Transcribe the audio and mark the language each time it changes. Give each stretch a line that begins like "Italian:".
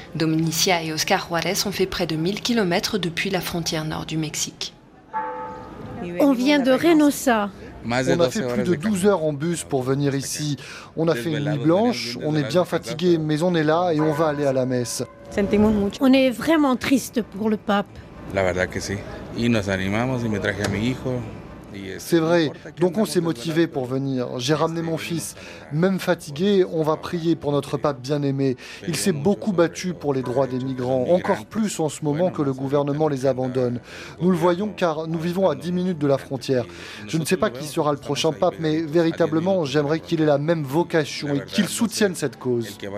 French: Dominicia et Oscar Juarez ont fait près de 1000 km depuis la frontière nord du Mexique. On vient de Reynosa. On a fait plus de 12 heures en bus pour venir ici. On a fait une nuit blanche, on est bien fatigué, mais on est là et on va aller à la messe. On est vraiment triste pour le pape.
Spanish: La verdad que sí. Y nos animamos y me traje a mi hijo.
French: C'est vrai, donc on s'est motivé pour venir. J'ai ramené mon fils. Même fatigué, on va prier pour notre pape bien-aimé. Il s'est beaucoup battu pour les droits des migrants, encore plus en ce moment que le gouvernement les abandonne. Nous le voyons car nous vivons à 10 minutes de la frontière. Je ne sais pas qui sera le prochain pape, mais véritablement, j'aimerais qu'il ait la même vocation et qu'il soutienne cette cause.